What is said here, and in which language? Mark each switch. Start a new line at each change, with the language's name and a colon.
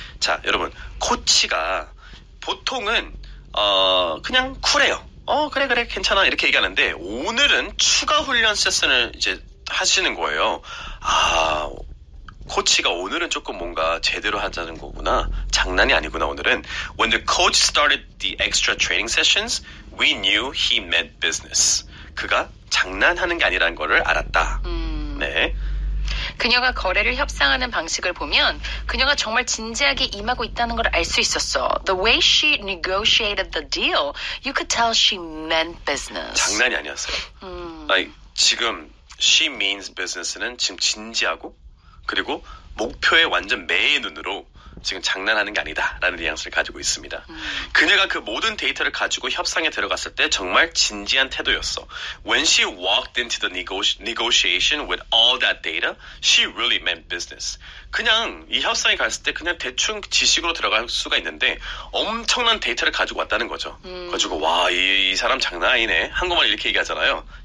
Korean: 자, 여러분, 코치가 보통은 그냥 쿨해요. 그래 괜찮아 이렇게 얘기하는데, 오늘은 추가 훈련 세션을 이제 하시는 거예요. 아, 코치가 오늘은 조금 뭔가 제대로 하자는 거구나. 장난이 아니구나, 오늘은.
English: When the coach started the extra training sessions, we knew he meant business.
Korean: 그가 장난하는 게 아니라는 거를 알았다. 네. 그녀가 거래를 협상하는 방식을 보면 그녀가 정말 진지하게 임하고 있다는 걸 알 수 있었어.
English: The way she negotiated the deal, you could tell she meant business.
Korean: 장난이 아니었어요. Like, 지금 she means business는 지금 진지하고 그리고 목표에 완전 매의 눈으로 지금 장난하는 게 아니다 라는 뉘앙스를 가지고 있습니다. 그녀가 그 모든 데이터를 가지고 협상에 들어갔을 때 정말 진지한 태도였어.
English: When she walked into the negotiation with all that data, she really meant business.
Korean: 그냥 이 협상에 갔을 때 그냥 대충 지식으로 들어갈 수가 있는데 엄청난 데이터를 가지고 왔다는 거죠. 가지고 와, 이 사람 장난 아니네. 한국말 이렇게 얘기하잖아요.